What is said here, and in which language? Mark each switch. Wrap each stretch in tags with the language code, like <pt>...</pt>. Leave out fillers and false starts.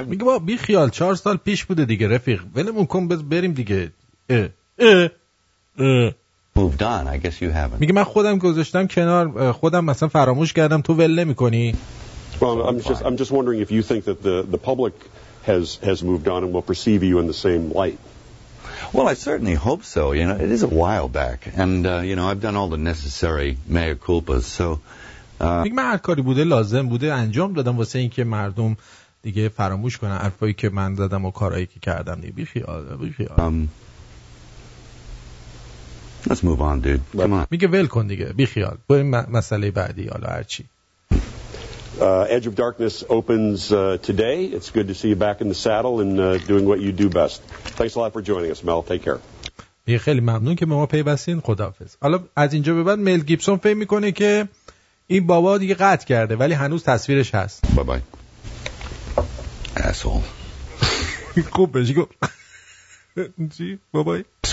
<fa>میگه با بیخیال 4 سال پیش بوده دیگه رفیق. ولمون کن بریم دیگه.</fa> <en>Moved on. I guess you haven't.</en> <fa>میگه من خودم گذاشتم کنار. خودم مثلا فراموش کردم. تو ول نمیکنی.</fa> <en>Well, I'm just wondering if you think that the public has moved on and will perceive you in the same light. Well, I certainly hope so. You know, it is a while back, and you know, I've done all the necessary mea culpas. So,</en> <fa>میگم هر کاری بوده لازم بوده انجام دادم واسه اینکه مردم دیگه فراموش کنن حرفایی که من زدم و کارهایی که کردم. بی خیال.</fa> <en>Let's move on, dude. Come on.</en> <fa>میگه ول کن دیگه بی خیال. بریم مسئله بعدی حالا هر چی.</fa> <en>Edge of Darkness opens today. It's good to see you back in the saddle and doing what you do best. Thanks a lot for joining us, Mel. Take care.</en> <fa>بی خیال ممنون که ما پیوستین. خداحافظ. حالا از اینجا به بعد میل گیبسون فهم میکنه که این بابا دیگه قطع کرده ولی هنوز تصویرش هست.</fa> <en>Bye bye. Asshole.</en> <fa>خوب بشی گو. چی؟</fa> <en>Bye bye.</en>